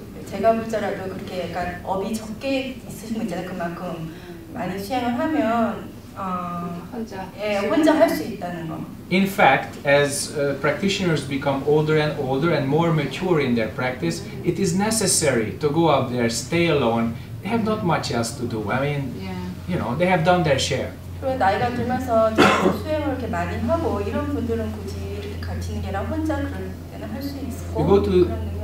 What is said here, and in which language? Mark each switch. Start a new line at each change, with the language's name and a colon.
Korean: 제가 불자라도 그렇게 약간 업이 적게 있으신 분이잖아요. 그만큼 많이 수행을 하면 혼자 할 수 있다는 거.
English: In fact, as practitioners become older and more mature in their practice, it is necessary to go up there, stay alone. They have not much else to do. I mean, you know, they have done their share.
Korean: 그리고 나이가 들면서 수행을 이렇게 많이 하고 이런 분들은 굳이 이렇게 갇히는 게 아니라 혼자 그럴 때는 할 수 있고